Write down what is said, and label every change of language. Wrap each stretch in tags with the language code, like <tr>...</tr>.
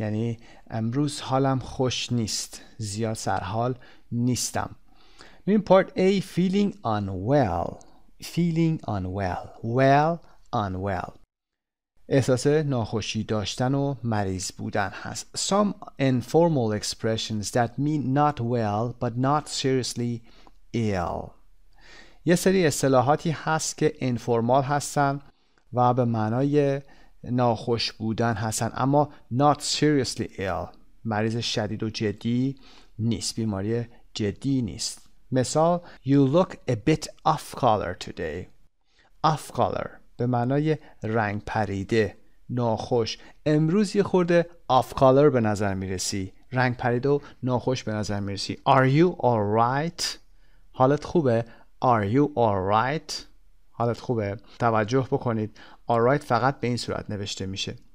<fa>یعنی امروز حالم خوش نیست. زیاد سرحال نیستم. میبین</fa> <en>Part A Feeling unwell. Feeling unwell. Well unwell.</en> <fa>احساس ناخوشی داشتن و مریض بودن هست.</fa> <en>Some informal expressions that mean not well but not seriously ill.</en> <fa>یه سری اصطلاحاتی هست که informal هستن و به معنای ناخوش بودن هستن، اما</fa> <en>not seriously ill،</en> <fa>مریض شدید و جدی نیست، بیماری جدی نیست.</fa> <en>مثال: You look a bit off color today.</en> <fa>Off color به معنای رنگ پریده، ناخوش. امروز یه خورده آف کالر به نظر میرسی، رنگ پریده و ناخوش به نظر میرسی.</fa> <en>Are you alright؟</en> <fa>حالت خوبه؟ Are you alright؟ حالت خوبه؟ توجه بکنید alright فقط به این صورت نوشته میشه.</fa>